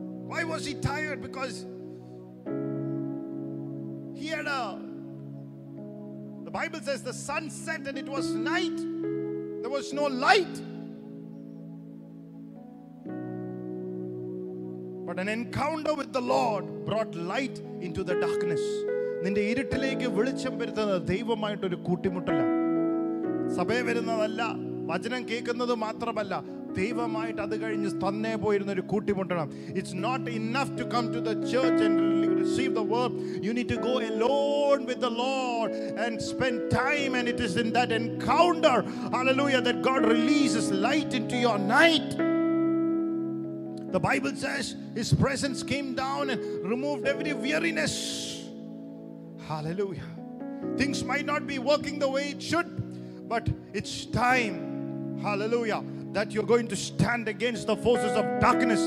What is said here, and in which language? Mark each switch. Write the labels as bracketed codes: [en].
[en] Why was he tired? Because he had a, the Bible says the sun set and it was night. There was no light. But an encounter with the Lord brought light into the darkness. [ml] നിന്റെ ഇരുട്ടിലേക്ക് വെളിച്ചം വരുത്തുന്നത് ദൈവമായിട്ട് ഒരു കൂട്ടിമുട്ടല്ല. സഭയ വരുന്നതല്ല, വചനം കേൾക്കുന്നത് മാത്രമല്ല, ദൈവമായിട്ട് അത് കഴിഞ്ഞ് തന്നെ പോയിരുന്ന ഒരു കൂട്ടിമുട്ടണം. [en] It's not enough to come to the church and receive the word. You need to go alone with the Lord and spend time, and it is in that encounter, hallelujah, that God releases light into your night. The Bible says his presence came down and removed every weariness. Hallelujah. Things might not be working the way it should, but it's time, hallelujah, that you're going to stand against the forces of darkness.